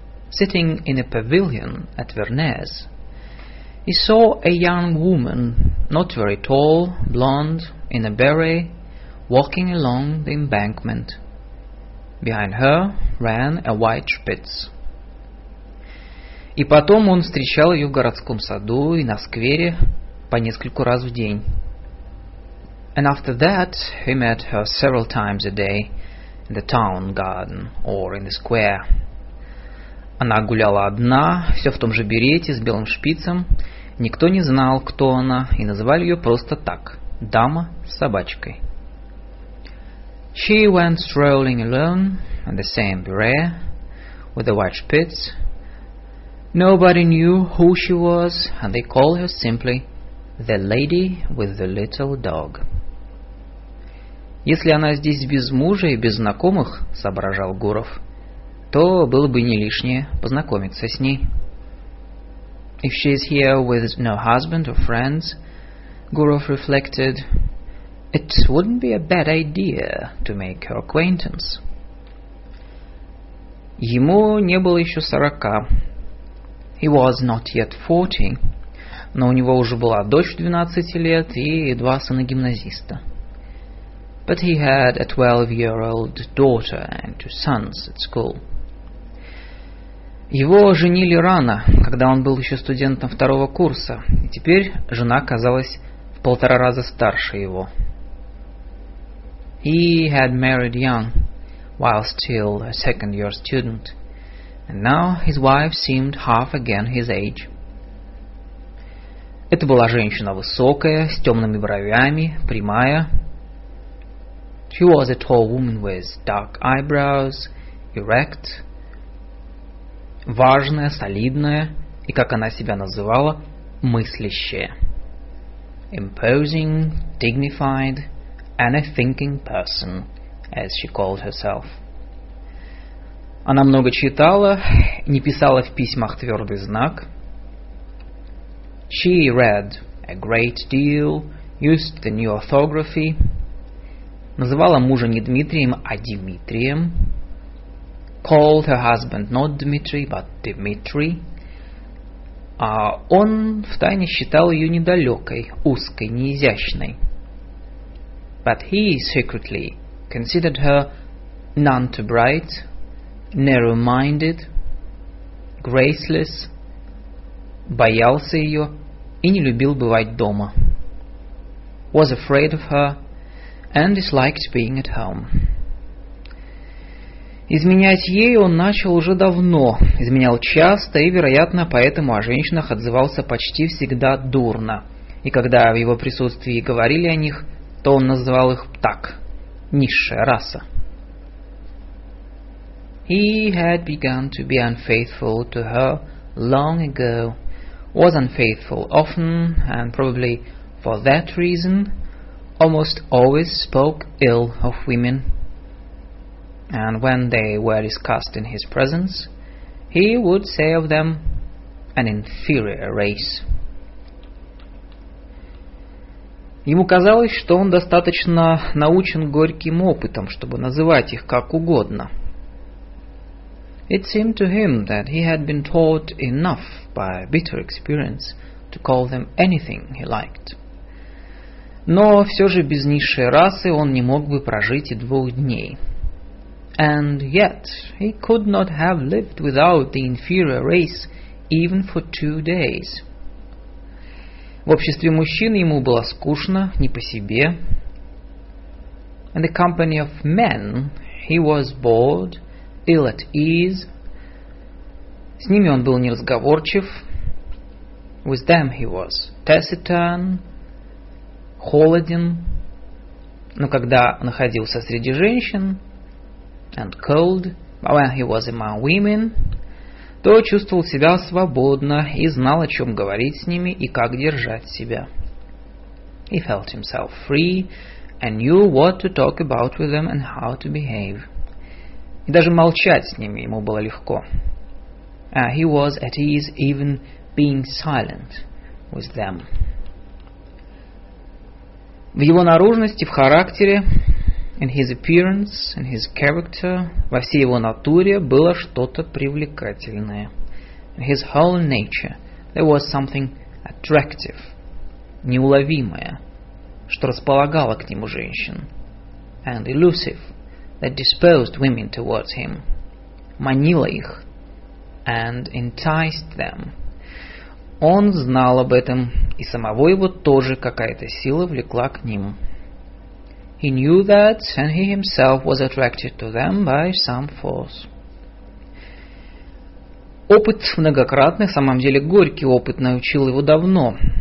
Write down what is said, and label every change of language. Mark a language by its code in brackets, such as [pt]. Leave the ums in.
[en] Sitting in a pavilion at Vernes, he saw a young woman, not very tall, blonde, in a beret, walking along the embankment. Behind her ran a white spitz. [ru] И потом он встречал ее в городском саду и на сквере по нескольку раз в день. [en] And after that, he met her several times a day in the town garden or in the square. [ru] Она гуляла одна, все в том же берете с белым шпицем. Никто не знал, кто она, и называли ее просто так – дама с собачкой. [en] She went strolling alone in the same beret with a white spitz – Nobody knew who she was, and they called her simply the lady with the little dog. If she is here with no husband or friends, Gurov reflected, it wouldn't be a bad idea to make her acquaintance. [ru] Ему не было еще сорока, [en] He was not yet forty. [ru] Но у него уже была дочь двенадцати лет и два сына гимназиста. [en] But he had a twelve-year-old daughter and two sons at school. [ru] Его женили рано, когда он был еще студентом второго курса, и теперь жена казалась в полтора раза старше его. [en] He had married young, while still a second-year student. — and now his wife seemed half again his age. [ru] Это была женщина высокая, с темными бровями, прямая. [en] She was a tall woman with dark eyebrows, erect. [ru] Важная, солидная и, как она себя называла, Мыслище. [en] Imposing, dignified, and a thinking person, as she called herself. [ru] — Она много читала, не писала в письмах твердый знак. [en] She read a great deal, used the new orthography. [ru] Называла мужа не Дмитрием, а Димитрием, [en] Called her husband not Dmitry, but Dmitry. [ru] А он втайне считал ее недалекой, узкой, неизящной. [en] But he secretly considered her none too bright, narrow-minded, graceless, [ru] боялся ее и не любил бывать дома. [en] Was afraid of her and disliked being at home. [ru] Изменять ей он начал уже давно, изменял часто и, вероятно, поэтому о женщинах отзывался почти всегда дурно. И когда в его присутствии говорили о них, то он называл их так, низшая раса. [en] He had begun to be unfaithful to her long ago, was unfaithful often, and probably for that reason almost always spoke ill of women. And when they were discussed in his presence, he would say of them, an inferior race. [ru] Ему казалось, что он достаточно научен горьким опытом, чтобы называть их как угодно [en] – it seemed to him that he had been taught enough by bitter experience to call them anything he liked. [ru] No, все же без низшей расы он не мог бы прожить и двух дней. [en] And yet he could not have lived without the inferior race even for two days. [ru] Скучно, [en] In the company of men he was bored, ill at ease. [ru] С ними он был неразговорчив. [en] With them he was taciturn, [ru] холоден. Но когда находился среди женщин, [en] and cold, but when he was among women, [ru] то чувствовал себя свободно и знал, о чем говорить с ними и как держать себя. [en] He felt himself free and knew what to talk about with them and how to behave. [ru] — и даже молчать с ними ему было легко. [en] Uh, he was at ease even being silent with them. [ru] В его наружности, в характере, [en] in his appearance, in his character, [ru] во всей его натуре было что-то привлекательное. [en] In his whole nature there was something attractive, [ru] неуловимое, что располагало к нему женщин, [en] and elusive, that disposed women towards him, [ru] манила их, [en] and enticed them. [ru] Он знал об этом, и самого его тоже какая-то сила влекла к ним. [en] He knew that, and he himself was attracted to them by some force. [ru] Опыт многократный, в самом деле горький опыт, научил его давно.